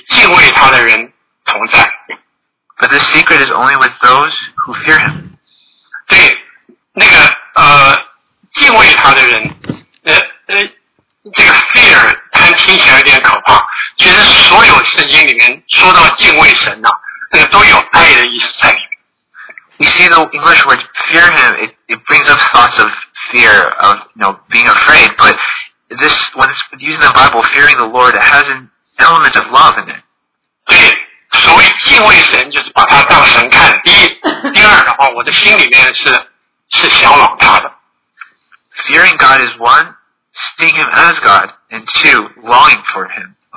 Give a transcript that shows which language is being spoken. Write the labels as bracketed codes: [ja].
[zh] 这是耶和华的秘密呢，只是与敬畏他的人同在。 [en] But this secret is only with those who fear him. [zh] 对，那个敬畏他的人，这个 fear 听起来有点可怕，其实所有圣经里面说到敬畏神呢，那个都有爱的意思在里面。 [en] You see the English word fear him, it brings up thoughts of fear, of you know, being afraid, but this, when it's using the Bible, fearing the Lord, it has an element of love in it. [zh] 对，所谓敬畏神，就是把他当神看。第一，第二的话，我的心里面是向往他的。Fearing [en] God is one, seeing him as God, and two, longing for him,